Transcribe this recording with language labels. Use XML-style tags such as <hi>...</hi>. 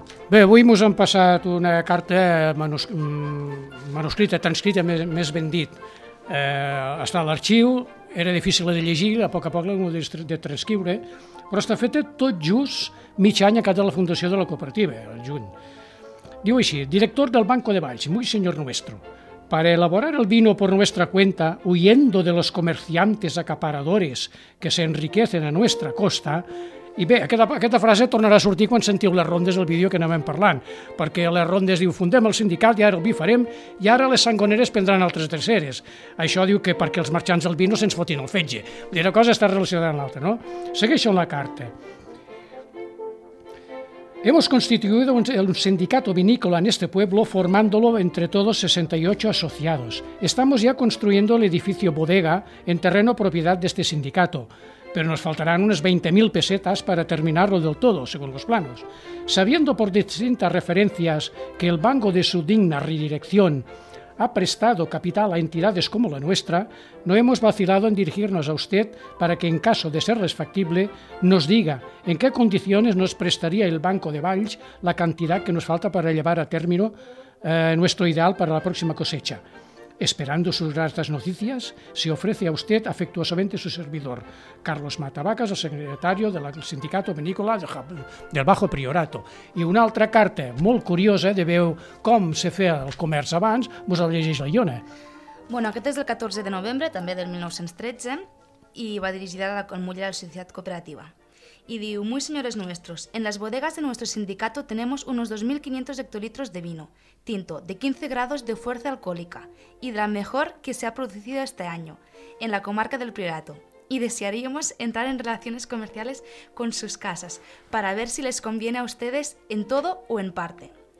<ca>Bé, avui mos han passat una carta manuscrita, transcrita, més ben dit. Està a l'arxiu, era difícil de llegir, a poc l'hem de transcriure, però està feta tot just mig any a cada la fundació de la cooperativa, el juny. Diu així:</ca> <es>director del Banco de Valls, muy señor nuestro, para elaborar el vino por nuestra cuenta, huyendo de los comerciantes acaparadores que se enriquecen a nuestra costa.</es> <ca>I bé, aquesta frase tornarà a sortir quan sentiu les rondes del vídeo que anàvem parlant, perquè les rondes diu: fundem el sindicat i ara el vi farem, i ara les sangoneres prendran altres terceres. Això diu que perquè els marxants del vi no se'ns fotin el fetge. Una cosa està relacionada amb l'altra, no? Segueixo amb la carta.</ca> <es>Hemos constituido un sindicato vinícola en este pueblo, formándolo entre todos 68 asociados. Estamos ya construyendo el edificio bodega en terreno propiedad de este sindicato, pero nos faltarán unas 20.000 pesetas para terminarlo del todo, según los planos. Sabiendo por distintas referencias que el banco de su digna redirección ha prestado capital a entidades como la nuestra, no hemos vacilado en dirigirnos a usted para que, en caso de serles factible, nos diga en qué condiciones nos prestaría el Banco de Valls la cantidad que nos falta para llevar a término nuestro ideal para la próxima cosecha. Esperando sus gratas noticias, se ofrece a usted afectuosamente su servidor, Carlos Matavacas, el secretario del sindicato vinícola del Bajo Priorato.</es> <ca>I una altra carta molt curiosa de veu com se feia el comerç abans, vos la llegeix la Iona. Bueno, aquest és el 14 de novembre, també del 1913, i va dirigida a la muller de la societat cooperativa.</ca> <es>Y digo: muy señores nuestros, en las bodegas de nuestro sindicato tenemos unos 2.500 hectolitros de vino tinto de 15 grados de fuerza alcohólica y de la mejor que se ha producido este año en la comarca del Priorato, y desearíamos entrar en relaciones comerciales con sus casas para ver si les conviene a ustedes en todo o en parte.</es>